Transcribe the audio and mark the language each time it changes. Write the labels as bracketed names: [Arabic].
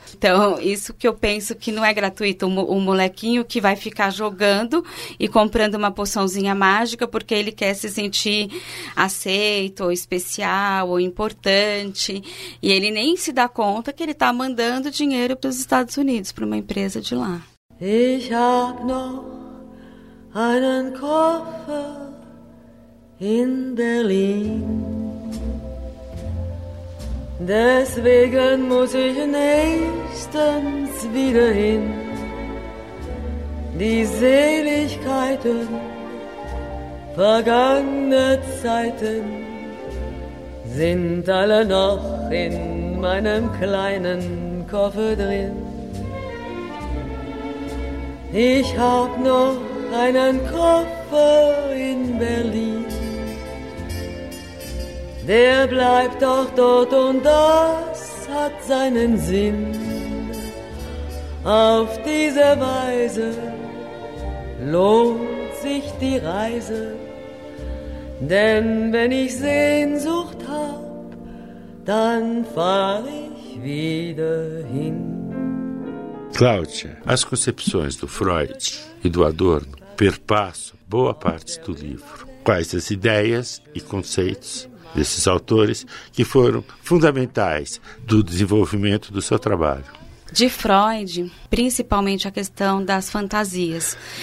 [Portuguese] Então, isso que eu penso que não é gratuito, um molequinho que vai ficar jogando e comprando uma poçãozinha mágica porque ele quer se sentir aceito, ou especial, ou importante, e ele nem se dá conta que ele está mandando dinheiro para os Estados Unidos, para uma empresa de lá. [German] Ich hab noch einen Koffer in Berlin. Deswegen muss ich nächstens wieder hin. Die Seligkeiten vergangener Zeiten sind alle noch in meinem kleinen Koffer drin. Ich hab noch einen Koffer in Berlin. Der bleibt doch dort und das hat seinen Sinn. Auf diese Weise lohnt sich die Reise. Denn wenn ich Sehnsucht hab, dann fahr ich wieder hin. [Portuguese] Cláudia, as concepções do Freud e do Adorno perpassam boa parte do livro. Quais as ideias e conceitos desses autores que foram fundamentais do desenvolvimento do seu trabalho? De Freud, principalmente a questão das fantasias.